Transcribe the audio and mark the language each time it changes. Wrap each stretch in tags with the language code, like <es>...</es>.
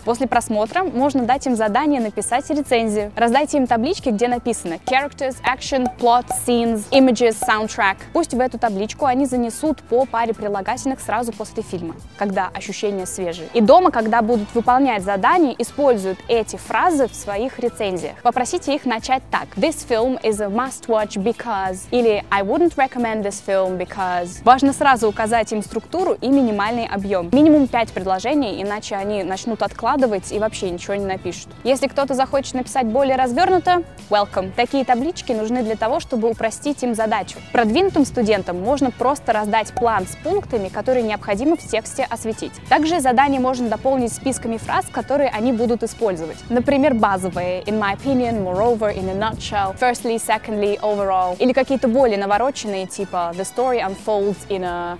<ru>После просмотра можно дать им задание написать рецензию. Раздайте им таблички, где написано</ru> <en>«characters, action, plot». what, scenes, images, soundtrack.</en> <ru>Пусть в эту табличку они занесут по паре прилагательных сразу после фильма, когда ощущения свежие. И дома, когда будут выполнять задания, используют эти фразы в своих рецензиях. Попросите их начать так.</ru> <en>This film is a must watch because...</en> <ru>Или</ru> <en>I wouldn't recommend this film because...</en> <ru>Важно сразу указать им структуру и минимальный объем. Минимум 5 предложений, иначе они начнут откладывать и вообще ничего не напишут. Если кто-то захочет написать более развернуто, welcome. Такие таблички нужны для того, чтобы упростить им задачу. Продвинутым студентам можно просто раздать план с пунктами, которые необходимо в тексте осветить. Также задание можно дополнить списками фраз, которые они будут использовать. Например, базовые</ru> <en>in my opinion, moreover, in a nutshell, firstly, secondly, overall.</en> <ru>Или какие-то более навороченные, типа</ru> <en>the story unfolds in a...</en>